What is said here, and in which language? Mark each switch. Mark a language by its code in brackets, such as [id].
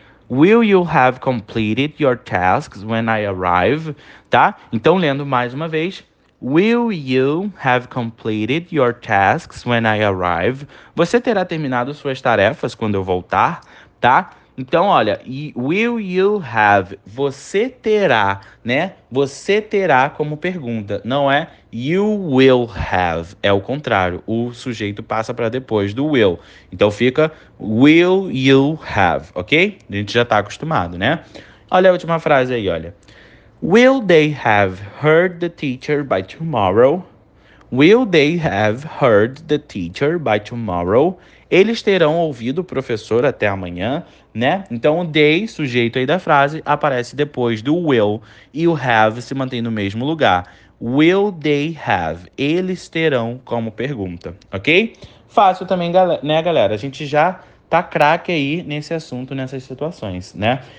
[en] Will you have completed your tasks when I arrive? [pt] Tá? Então, lendo mais uma vez. [en] Will you have completed your tasks when I arrive? [pt] Você terá terminado suas tarefas quando eu voltar? Tá? Então, olha, [en] will you have? [pt] Você terá, né? Você terá como pergunta, não é [en] you will have. [pt] É o contrário. O sujeito passa para depois do will. Então fica [en] will you have, [pt] ok? A gente já está acostumado, né? Olha a última frase aí, olha. [en] Will they have heard the teacher by tomorrow? Will they have heard the teacher by tomorrow? [pt] Eles terão ouvido o professor até amanhã, né? Então, o they, sujeito aí da frase, aparece depois do will e o have se mantém no mesmo lugar. [en] Will they have? [pt] Eles terão como pergunta, ok? Fácil também, né, galera? A gente já tá craque aí nesse assunto, nessas situações, né?